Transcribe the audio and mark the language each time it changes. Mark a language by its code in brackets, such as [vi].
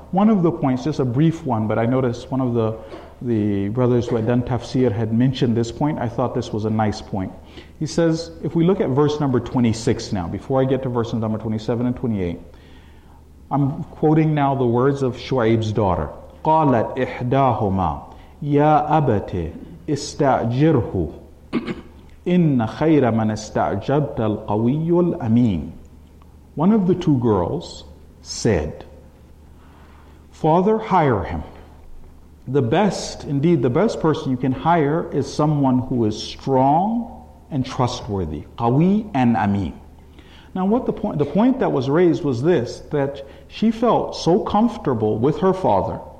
[en] One of the points, just a brief one, but I noticed one of the brothers who had done tafsir had mentioned this point. I thought this was a nice point. He says, if we look at verse number 26 now, before I get to verse number 27 and 28, I'm quoting now the words of Shu'aib's daughter. [ar] قالت إحداهما يا أبتي استأجره إن خير من استأجرت القوي الأمين. [en] One of the two girls said, "Father, hire him. The best, indeed, the best person you can hire is someone who is strong and trustworthy, قوي and أمين." Now, what the point that was raised was this: that she felt so comfortable with her father.